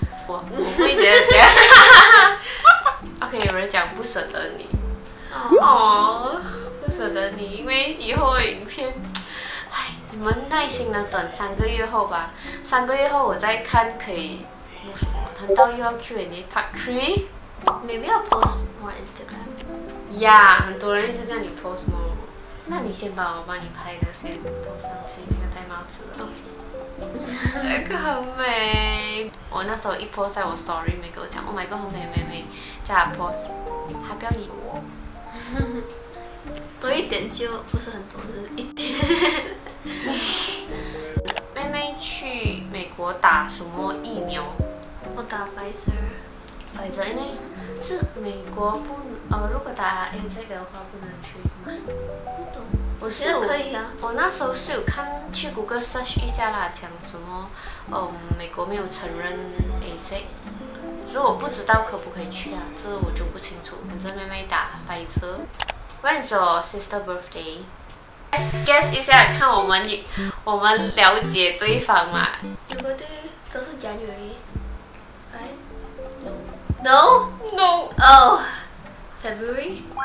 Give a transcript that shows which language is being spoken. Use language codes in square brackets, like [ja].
[zh] 我会觉得这样。OK， 有人讲不舍得你，不舍得你，因为以后的影片。你们耐心的等3个月后吧，3个月后我再看可以录什么。难道又要 Q&A Part 3？ [en] Maybe I'll post more Instagram. [zh] Yeah， 很多人一直叫你 [en] post more。 [zh] 那你先把我帮你拍的先 post 上去，那个戴帽子的。这个很美。我那时候一 post 在我 story， 每个我讲 [en] Oh my god [zh] 很美美美，叫他 post， 他不要理我。多一点就不是很多，是一点。妹妹去美国打什么疫苗？我打 Pfizer。 Pfizer， 因为是美国不如果打 AZ 的话不能去是吗？不懂。我是可以啊。我那时候是有看去 Google search 一下啦，讲什么美国没有承认 AZ， 只是我不知道可不可以去啊，这我就不清楚。反正妹妹打 Pfizer。 [en] When's your sister birthday？ [zh] Guess 一下，看我们了解对方嘛。 [en] Your birthday [zh] 都是 [en] January， right？ No， no， no。 Oh， February？